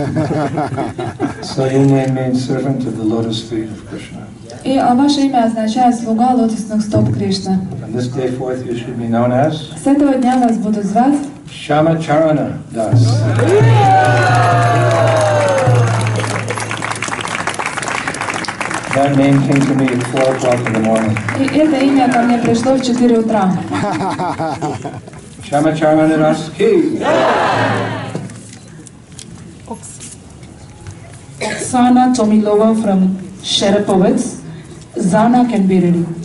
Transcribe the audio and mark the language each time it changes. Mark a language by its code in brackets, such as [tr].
[en] So your name means servant of the lotus feet of Krishna. [ru] И ваше имя означает слуга лотосных стоп Кришны. [en] From this day forth you should be known as? [ru] С этого дня вас будут звать? [en] Shama Charana Das. That name came to me at 4 o'clock in the morning. [ru] И это имя ко мне пришло в 4 утра. [en] Shama Charana Das Ki. Oksana Tomilova from Sherepovets. Zana can be ready.